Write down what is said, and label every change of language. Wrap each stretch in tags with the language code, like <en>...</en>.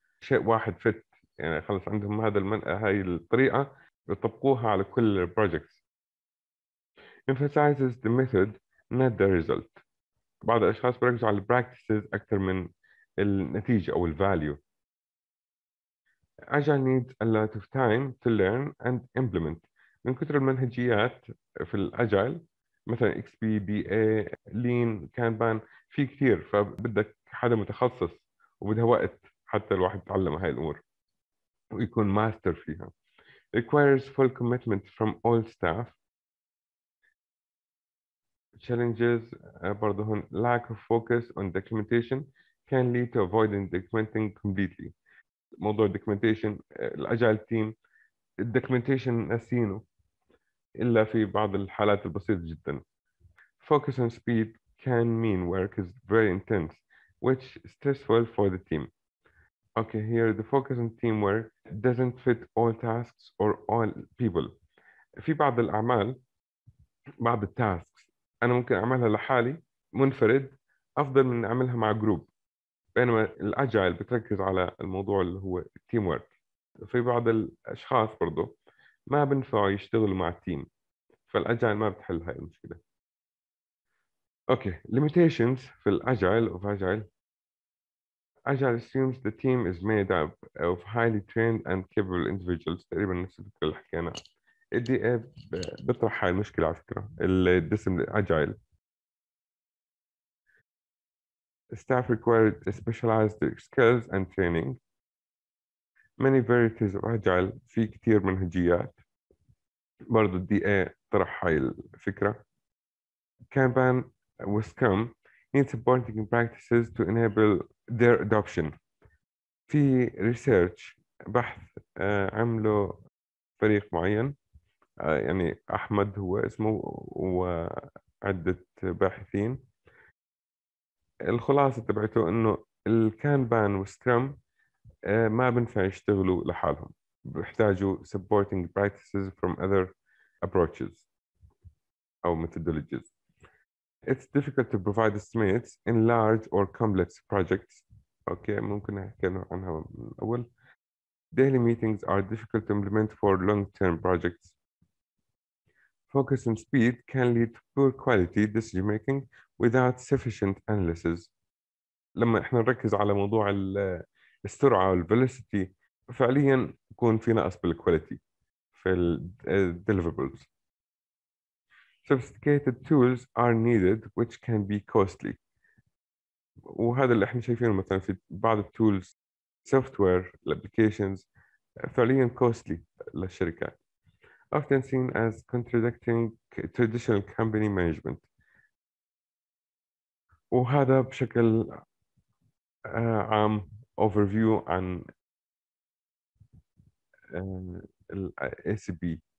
<ar>شيء واحد فت يعني خلص عندهم هذا هاي الطريقه يطبقوها على كل البروجكتس.</ar> <en>emphasizes the method not the result.</en> <ar>بعض الاشخاص بيركزوا على البراكتسز اكثر من النتيجه او الفاليو.</ar> <en>Agile needs a lot of time to learn and implement.</en> <ar>من كثر المنهجيات في الأجايل مثلا XP, BA, Lean, Kanban في كثير، فبدك حدا متخصص وبدها وقت حتى الواحد يتعلم هاي الأمور ويكون ماستر فيها.</ar> <en>Requires full commitment from all staff. Challenges</en> <ar>برضه هون</ar> <en>lack of focus on documentation can lead to avoiding documenting completely.</en> <ar>موضوع documentation الأجايل تيم documentation ناسينه إلا في بعض الحالات البسيطة جدا.</ar> <en>Focus on speed can mean work is very intense which stressful for the team. Okay, here the focus on teamwork doesn't fit all tasks or all people.</en> <ar>في بعض الأعمال بعض التاسكس أنا ممكن أعملها لحالي منفرد أفضل من أعملها مع جروب، بينما الأجايل بتركز على الموضوع اللي هو التيم ورك. في بعض الأشخاص برضو ما بنفع يشتغلوا مع التيم، فالأجايل ما بتحل هاي المشكلة. أوكي، limitations في الأجايل of Agile.</ar> <en>Agile assumes the team is made up of highly trained and capable individuals.</en> <ar>تقريبا نفس الفكرة اللي حكينا. الDA بيطرح هاي المشكلة على فكرة. الدسم الأجايل</ar> <en>staff required specialized skills and training. Many varieties of agile.</en> <ar>في كتير منهجيات. برضو DA طرح هاي الفكرة.</ar> <en>Kanban with Scrum need supporting practices to enable their adoption.</en> <ar>في research بحث عمله فريق معين يعني أحمد هو اسمه وعدة باحثين. الخلاصة تبعته انه الكانبان وسكرم ما بنفع يشتغلوا لحالهم، بيحتاجوا</ar> <en>supporting practices from other approaches</en> <ar>او methodologies.</ar> <en>It's difficult to provide estimates in large or complex projects.</en> <ar>اوكي ممكن نحكي عنها من الاول.</ar> <en>Daily meetings are difficult to implement for long-term projects. Focus on speed can lead to poor quality decision making without sufficient analysis.</en> <ar>لما احنا نركز على موضوع السرعة والفلسيتي فعليا يكون في نقص بالكواليتي في الـ deliverables.</ar> <en>Sophisticated tools are needed which can be costly.</en> <ar>وهذا اللي احنا شايفينه مثلا في بعض التولز software applications فعليا costly للشركات.</ar> <en>Often seen as contradicting traditional company management.</en> <ar>وهذا بشكل عام overview عن الـ ACB.</ar>